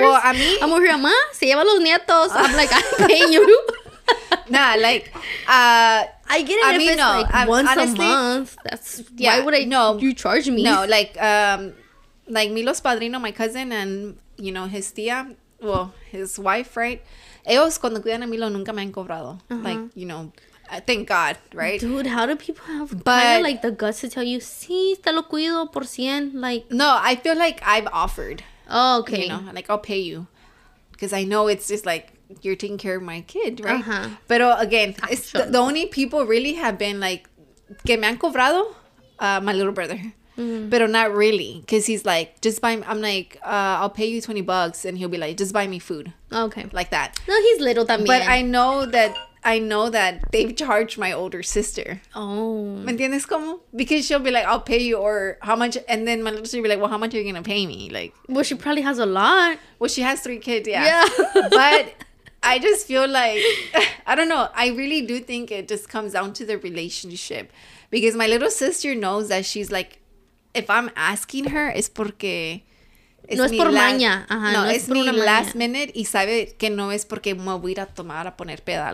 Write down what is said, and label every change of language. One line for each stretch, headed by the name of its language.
English: Well, a mí... I'm over here,
Spanish: ma, se lleva los nietos.
English: I'm like, I'm paying you. Nah, like, I get it. I mean, no, like, once honestly, a month, that's... Yeah, why would I... No. You charge me. No, like, like Milo's padrino, my cousin, and you know his tía, well, his wife, right?
Spanish: Ellos cuando cuidan a Milo nunca me han cobrado.
English: Uh-huh. Like, you know, thank God, right? Dude, how do people have kind of like the guts to tell you,
Spanish: sí, te lo cuido por cien?
English: Like, no, I feel like I've offered. Oh, okay. You know, like I'll pay you because I know it's just like you're taking care of my kid, right? Uh-huh. But again, it's the only people really have been like
Spanish: que me han cobrado,
English: my little brother. Mm-hmm. But not really, because he's like, just buy me. I'm like, I'll pay you $20, and he'll be like, just buy me food. Okay, like that. No, he's little también. But I know that they've charged my older sister. Oh,
Spanish: ¿me entiendes cómo?
English: Because she'll be like, I'll pay you, or how much? And then my little sister will be like, well, how much are you gonna pay me? Like, well, she probably has a lot. Well, she has three kids. Yeah. But I just feel like, I don't know, I really do think it just comes down to the relationship, because my little sister knows that she's like, if I'm asking her,
Spanish: es porque... Es no es por maña. Ajá, no, no, es mi last maña. Minute. Y sabe que no es porque me voy a tomar a poner peda.